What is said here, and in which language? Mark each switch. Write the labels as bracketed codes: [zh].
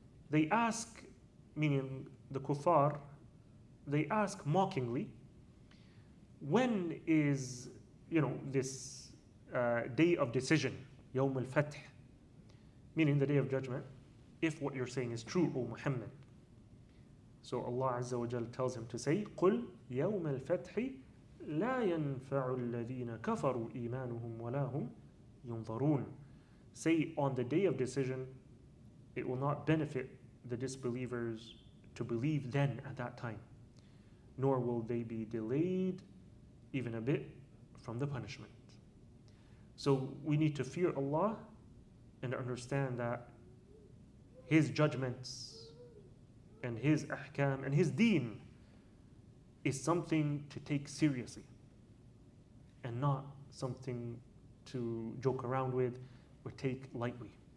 [en] They ask, meaning the kuffar, they ask mockingly, when is, you know, this day of decision, [ar] يوم الفتح, [en] meaning the day of judgment, if what you're saying is true, O Muhammad. So Allah Azza wa Jal tells him to say, [ar] قُلْ يَوْمَ الْفَتْحِ لا ينفع الذين كفروا إيمانهم ولا هم ينظرون. [en] Say, on the day of decision, it will not benefit the disbelievers to believe then at that time, nor will they be delayed even a bit from the punishment. So we need to fear Allah and understand that His judgments and His ahkam and His deen is something to take seriously and not something to joke around with or take lightly.